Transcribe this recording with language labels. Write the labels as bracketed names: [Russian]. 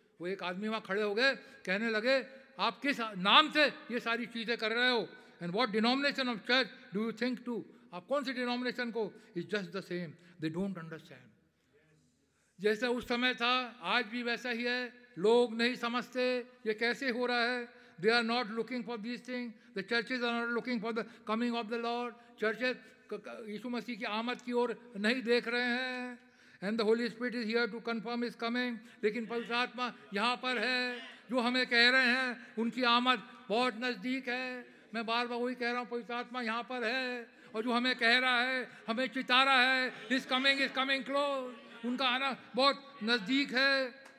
[Hindi] वो एक आदमी वहाँ खड़े हो गए, कहने लगे आप किस नाम से ये सारी चीज़ें कर रहे हो, [English] and what denomination of church do you think to, [Hindi] आप कौन से डिनोमिनेशन को, [English] Is just the same, they don't understand. [Hindi] जैसे उस समय था आज भी वैसा ही है, लोग नहीं समझते ये कैसे हो रहा है। [English] they are not looking for this thing, the churches are not looking for the coming of the lord, [Hindi] churches यीशु मसीह की आमद की ओर नहीं देख रहे हैं। [English] And the Holy Spirit is here to confirm His coming. [Hindi] लेकिन पवित्र आत्मा यहाँ पर है जो हमें कह रहे हैं उनकी आमद बहुत नज़दीक है। मैं बार बार वही कह रहा हूँ, पवित्र आत्मा यहाँ पर है और जो हमें कह रहा है, हमें चिता रहा है, [English] is coming close, [Hindi] उनका आना बहुत नज़दीक है।